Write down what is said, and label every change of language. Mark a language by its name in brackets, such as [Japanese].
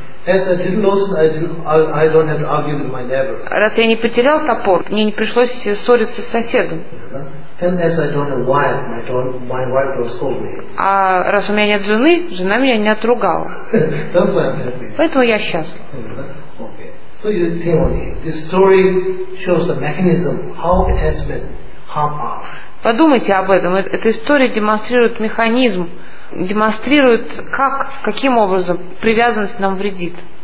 [Russian] Раз я не потерял топор, мне не пришлось ссориться с соседом. А раз у меня нет жены, жена меня не отругала. Поэтому я счастлив. [English] So you think on it. This story shows the mechanism how it has been harmed off. [Russian] Подумайте об этом. Эта история демонстрирует механизм, демонстрирует, как, каким образом привязанность нам вредит.